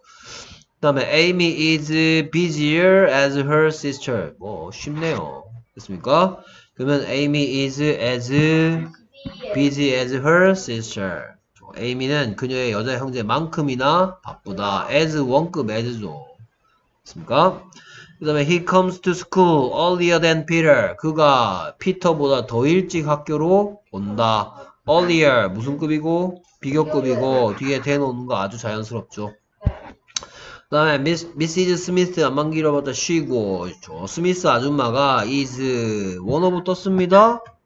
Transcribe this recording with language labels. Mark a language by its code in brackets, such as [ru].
[ko] 그 다음에 [en] Amy is busier as her sister. [ko] 뭐 쉽네요. 됐습니까? 그러면 [en] Amy is as busy as her sister. [ko] 에이미는 그녀의 여자 형제만큼이나 바쁘다. as 원급 as죠. 됐습니까? 그 다음에 [en] he comes to school earlier than Peter. [ko] 그가 피터보다 더 일찍 학교로 온다. earlier 무슨 급이고? 비교급이고 뒤에 than 오는 거 아주 자연스럽죠. 그 다음에 Mrs. Smith 안만 길어봤자 쉬고 저 스미스 아줌마가 [en] is one of [ko] 떴습니다.